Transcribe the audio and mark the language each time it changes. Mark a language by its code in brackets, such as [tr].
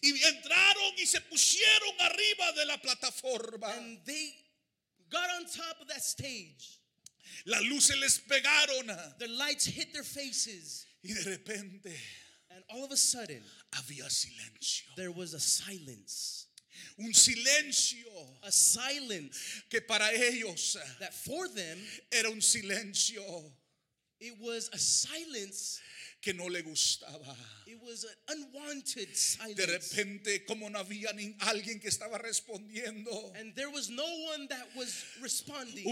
[es] Y entraron y se pusieron arriba de la plataforma. [en] And they got on top of that stage. [es] Las luces les pegaron. [en] The lights hit their faces. [es] Y de repente, [en] and all of a sudden, [es] había silencio. [en] There was a silence. [es] Un silencio. [en] A silence. [es] Que para ellos, [en] that for them, [es] era un silencio. [en] It was a silence [es] que no le gustaba. [en] It was an unwanted silence. [es] De repente, como no había ni alguien que estaba respondiendo. [en] And there was no one that was responding.